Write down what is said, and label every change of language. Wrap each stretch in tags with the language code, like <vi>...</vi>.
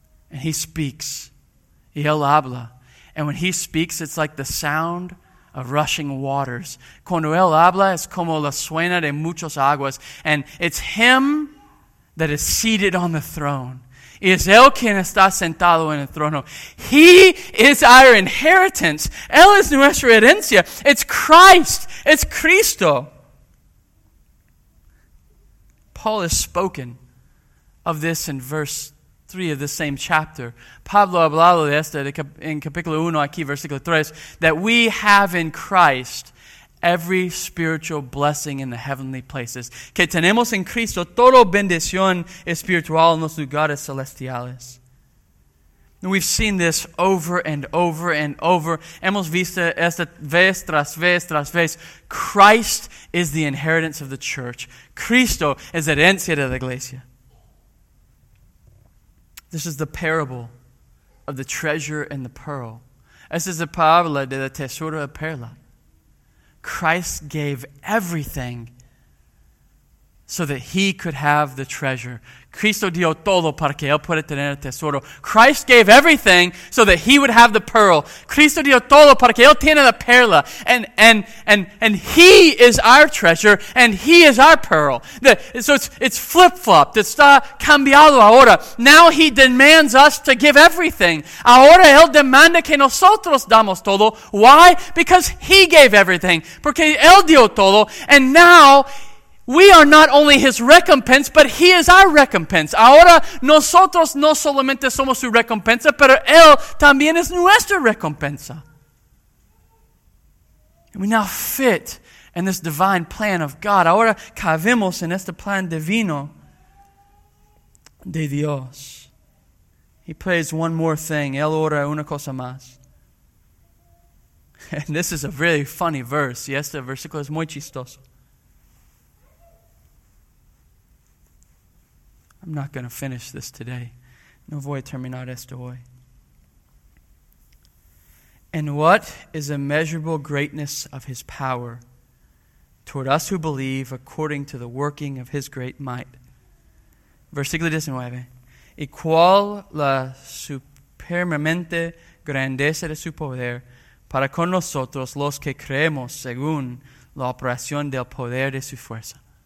<en>And he speaks,</en> <es>y él habla.</es> <en>And when he speaks, it's like the sound of rushing waters.</en> <es>Cuando él habla, es como la suena de muchas aguas.</es> <en>And it's him that is seated on the throne.</en> <es>Y es él quien está sentado en el trono.</es> <en>He is our inheritance.</en> <es>Él es nuestra herencia.</es> <en>It's Christ. It's Cristo. Paul has spoken of this in verse 3 of the same chapter.</en> <es>Pablo ha hablado de esto en capítulo 1, aquí versículo 3,</es> <en>that we have in Christ every spiritual blessing in the heavenly places.</en> <es>Que tenemos en Cristo todo bendición espiritual en los lugares celestiales.</es> <en>And we've seen this over and over and over.</en> <es>Hemos visto esta vez tras vez tras vez.</es> <en>Christ is the inheritance of the church.</en> <es>Cristo es herencia de la iglesia.</es> <en>This is the parable of the treasure and the pearl.</en> <es>Esta es la parábola de la tesoro y la perla.</es> <en>Christ gave everything so that he could have the treasure.</en> <es>Cristo dio todo para que él pueda tener el tesoro.</es> <en>Christ gave everything so that he would have the pearl.</en> <es>Cristo dio todo para que él tiene la perla.</es> <en>And he is our treasure and he is our pearl. So it's flip-flopped.</en> <es>Está cambiado ahora.</es> <en>Now he demands us to give everything.</en> <es>Ahora él demanda que nosotros damos todo.</es> <en>Why? Because he gave everything.</en> <es>Porque él dio todo.</es> <en>And now we are not only his recompense, but he is our recompense.</en> <es>Ahora, nosotros no solamente somos su recompensa, pero él también es nuestra recompensa.</es> <en>And we now fit in this divine plan of God.</en> <es>Ahora, cabemos en este plan divino de Dios.</es> <en>He prays one more thing.</en> <es>Él ora una cosa más.</es> <en>And this is a really funny verse.</en> <es>Y este versículo es muy chistoso.</es> <en>I'm not going to finish this today.</en> <es>No voy a terminar esto hoy.</es> <en>And what is the immeasurable greatness of his power toward us who believe according to the working of his great might?</en> <es>Versículo 19. Y cuál la supremamente grandeza de su poder para con nosotros los que creemos según la operación del poder de su fuerza.</es>